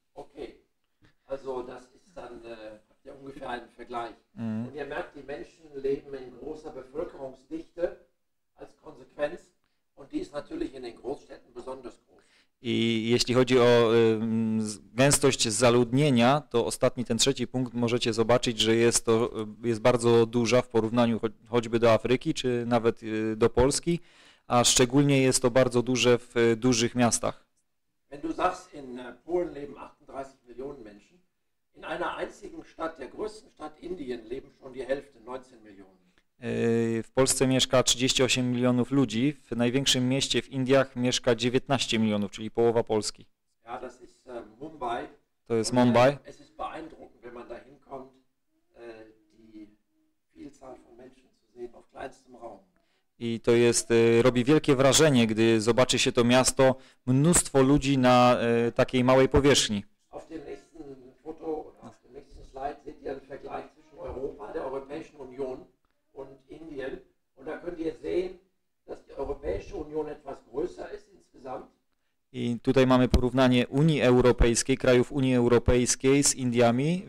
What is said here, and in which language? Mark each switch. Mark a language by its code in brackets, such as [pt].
[de] Okay, also das ist dann ungefähr ein Vergleich. Mhm. Und ihr merkt, die Menschen leben in großer Bevölkerungsdichte als Konsequenz und die ist natürlich in den Großstädten besonders groß. [pl] I jeśli chodzi o gęstość zaludnienia, to ostatni, ten trzeci punkt, możecie zobaczyć, że jest to, jest bardzo duża w porównaniu choćby do Afryki, czy nawet do Polski, a szczególnie jest to bardzo duże w dużych miastach. [de] Wenn du sagst, in Polen leben 38 Millionen Menschen, in einer einzigen Stadt, der größten Stadt Indien, leben schon die Hälfte, 19 Millionen. [pl] W Polsce mieszka 38 milionów ludzi, w największym mieście w Indiach mieszka 19 milionów, czyli połowa Polski. [de] Ja, das ist Mumbai. [pl] To jest Mumbai. [de] Es ist beeindruckend, wenn man da hinkommt, die Vielzahl von Menschen zu sehen auf kleinstem Raum. [pl] I to jest, robi wielkie wrażenie, gdy zobaczy się to miasto, mnóstwo ludzi na takiej małej powierzchni. [de] Auf dem nächsten Foto, auf dem nächsten Slide seht ihr einen Vergleich zwischen Europa, der Europäischen Union und Indien. Und da könnt ihr sehen, dass die Europäische Union etwas größer ist insgesamt. [pl] I tutaj mamy porównanie Unii Europejskiej, krajów Unii Europejskiej z Indiami.